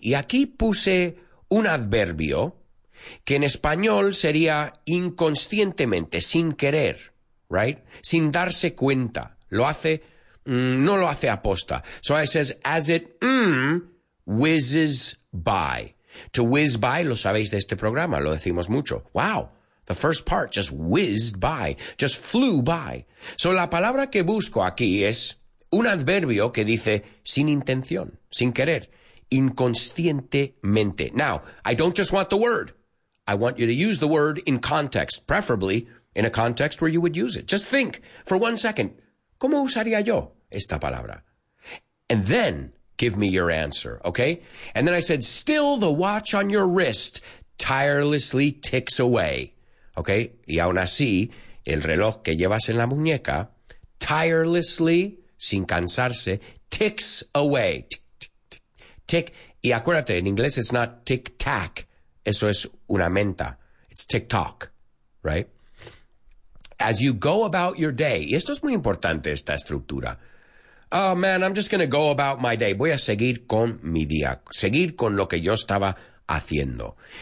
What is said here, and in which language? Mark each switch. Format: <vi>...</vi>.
<es>Y aquí puse un adverbio que en español sería inconscientemente, sin querer, right? Sin darse cuenta. Lo hace, no lo hace aposta.</es> <en>So I says, as it whizzes by.</en> <es>To whiz by, lo sabéis de este programa, lo decimos mucho.</es> <en>Wow, the first part just whizzed by, just flew by.</en> <es>So la palabra que busco aquí es un adverbio que dice sin intención, sin querer, inconscientemente.</es> <en>Now, I don't just want the word. I want you to use the word in context, preferably in a context where you would use it. Just think for one second,</en> <es>¿cómo usaría yo esta palabra?</es> <en>And then give me your answer, okay? And then I said, still the watch on your wrist tirelessly ticks away, okay?</en> <es>Y aún así, el reloj que llevas en la muñeca, tirelessly, sin cansarse, ticks away. Tick, y acuérdate, en inglés</es> <en>it's not tic-tac,</en> <es>eso es una menta,</es> <en>it's tic-tac, right? As you go about your day,</en> <es>y esto es muy importante, esta estructura.</es> <en>Oh, man, I'm just going to go about my day.</en> <es>Voy a seguir con mi día, seguir con lo que yo estaba haciendo.</es>